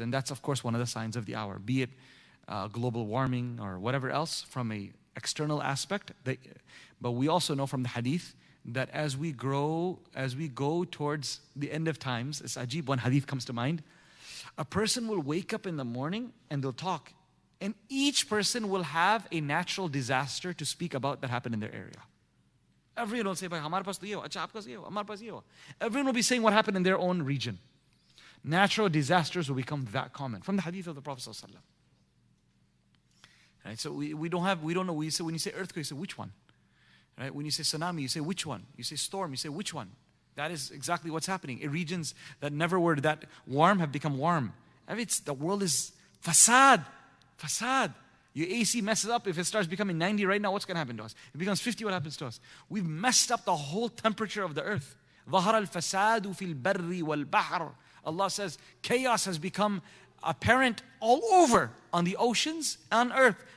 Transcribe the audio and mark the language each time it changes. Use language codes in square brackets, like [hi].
[en] And that's, of course, one of the signs of the hour. Be it global warming or whatever else from an external aspect. But we also know from the hadith that as we grow, as we go towards the end of times, it's ajib, one hadith comes to mind, a person will wake up in the morning and they'll talk. And each person will have a natural disaster to speak about that happened in their area. [hi] Everyone will say, "भाई, हमारे पास तो ये हुआ, अच्छा आपके पास ये हुआ, हमारे पास ये हुआ." [en] Everyone will be saying what happened in their own region. Natural disasters will become that common from the hadith of the Prophet ﷺ. Right, so we don't know. We say, when you say earthquake, you say which one? Right, when you say tsunami, you say which one? You say storm, you say which one? That is exactly what's happening. Regions that never were that warm have become warm. I mean, the world is facade. Facade. Your AC messes up. If it starts becoming 90 right now, what's going to happen to us? If it becomes 50, what happens to us? We've messed up the whole temperature of the earth. [ar] ظهر الفساد في البر والبحر. [en] Allah says, chaos has become apparent all over on the oceans and earth.